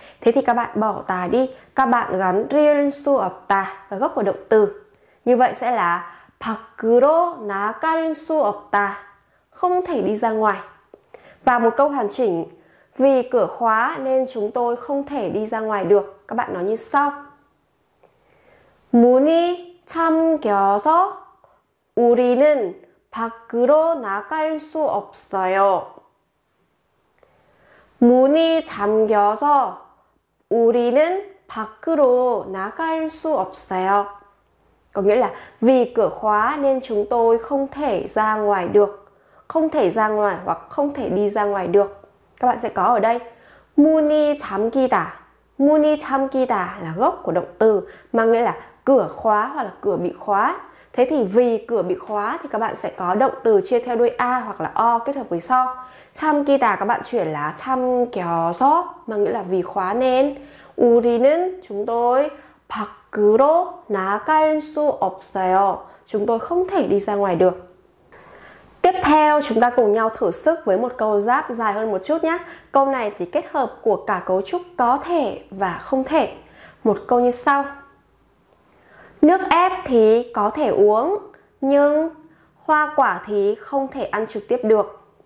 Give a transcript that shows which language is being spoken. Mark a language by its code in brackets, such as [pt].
[vi] Thế thì các bạn bỏ 다 đi, các bạn gắn [ko] 를 수 없다 [vi] vào gốc của động từ. Như vậy sẽ là [ko] 밖으로 나갈 수 없다. [vi] Không thể đi ra ngoài. Và một câu hoàn chỉnh, vì cửa khóa nên chúng tôi không thể đi ra ngoài được. Các bạn nói như sau. [ko] 문이 잠겨서 우리는 밖으로 나갈 수 없어요. 문이 잠겨서 우리는 밖으로 나갈 수 없어요. [vi] Có nghĩa là vì cửa khóa nên chúng tôi không thể ra ngoài được. Không thể ra ngoài hoặc không thể đi ra ngoài được. Các bạn sẽ có ở đây [ko] 문이 잠기다. 문이 잠기다 [vi] là gốc của động từ mang nghĩa là cửa khóa hoặc là cửa bị khóa. Thế thì vì cửa bị khóa thì các bạn sẽ có động từ chia theo đuôi A hoặc là O kết hợp với sau. 참기다 các bạn chuyển là 참겨서 mà nghĩa là vì khóa nên. 우리는 chúng tôi [ko] 밖으로 나갈 수 없어요. [vi] Chúng tôi không thể đi ra ngoài được. Tiếp theo chúng ta cùng nhau thử sức với một câu giáp dài hơn một chút nhé. Câu này thì kết hợp của cả cấu trúc có thể và không thể. Một câu như sau. Nước ép thì có thể uống, nhưng hoa quả thì không thể ăn trực tiếp được.